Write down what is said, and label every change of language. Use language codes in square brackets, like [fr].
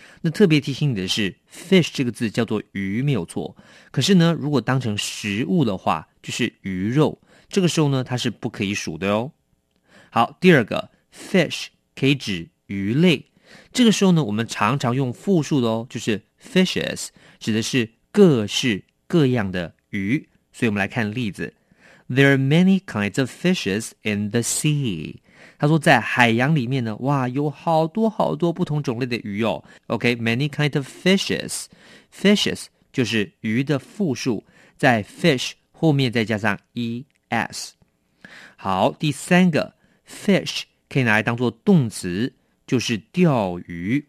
[zh] 那特别提醒你的是， fish 这个字叫做鱼没有错，可是呢如果当成食物的话就是鱼肉，这个时候呢它是不可以数的哦。好，第二个Fish 可以指鱼类，这个时候呢我们常常用复数的哦，就是 fishes， 指的是各式各样的鱼。所以我们来看例子， [en] There are many kinds of fishes in the sea. [zh] 他说在海洋里面呢，哇，有好多好多不同种类的鱼哦。 [en] OK, many kinds of fishes. [zh] Fishes 就是鱼的复数，在 fish 后面再加上 es。好，第三个 fish 可以拿来当做动词，就是钓鱼。